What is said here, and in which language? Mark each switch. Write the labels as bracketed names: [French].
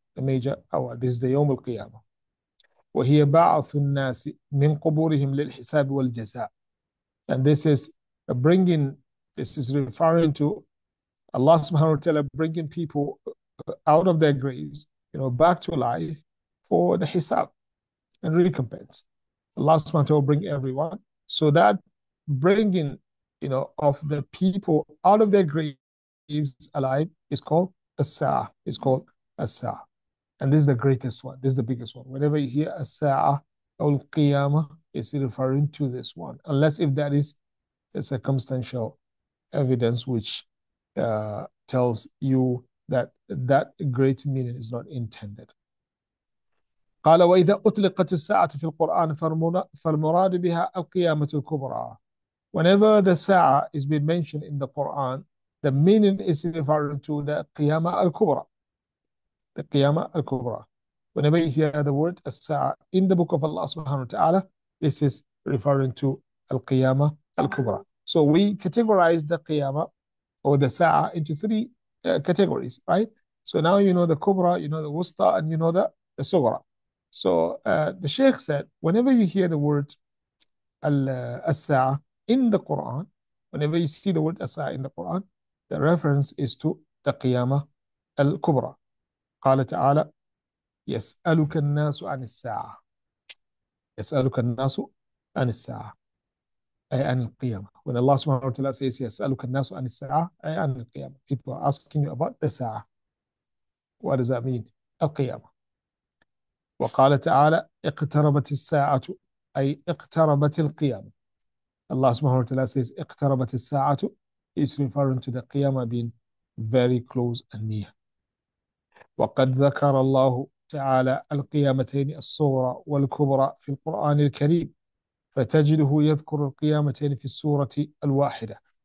[English] This is the يوم القيامة. [Arabic] وهي بعث الناس من قبورهم للحساب والجزاء. [English] And this is bringing, this is referring to Allah subhanahu wa ta'ala bringing people out of their graves, you know, back to life for the hisab and recompense. Allah subhanahu wa ta'ala bring everyone. So that bringing, you know, of the people out of their graves alive is called as-sa'ah. It's called as-sa'ah. And this is the greatest one. This is the biggest one. Whenever you hear as-sa'ah, al-qiyamah, it's referring to this one. Unless if that is a circumstantial evidence which tells you that great meaning is not intended. [Arabic] قال وإذا أطلقت الساعة في القرآن فالمراد بها القيامة الكبرى. [English] Whenever the ساعة is being mentioned in the Quran, the meaning is referring to the قيامة الكبرى. The قيامة الكبرى. Whenever you hear the word الساعة in the book of Allah subhanahu wa ta'ala, this is referring to القيامة الكبرى. So we categorize the قيامة or the sa'a into three categories, right? So now you know the kubra, you know the wusta, and you know the sugra. So the Sheikh said, whenever you hear the word al-sa'a in the Quran, whenever you see the word as-sa'a in the Quran, the reference is to the qiyama al-kubra. [Arabic] Qala ta'ala, yas'aluka an-nasu an as-sa'a. Yas'aluka an-nasu an as-sa'a. أي عن القيامة. When Allah subhanahu wa ta'ala says يسألك الناس عن الساعة أي عن القيامة. [English] People are asking you about the ساعة. What does that mean? القيامة. [Arabic] وقال تعالى اقتربت الساعة أي اقتربت القيامة. [English] Allah subhanahu wa ta'ala says اقتربت الساعة is referring to the قيامة being very close and near. [Arabic] وقد ذكر الله تعالى القيامتين الصغرى والكبرى في القرآن الكريم. فتجده يذكر القيامتين في السورة الواحدة.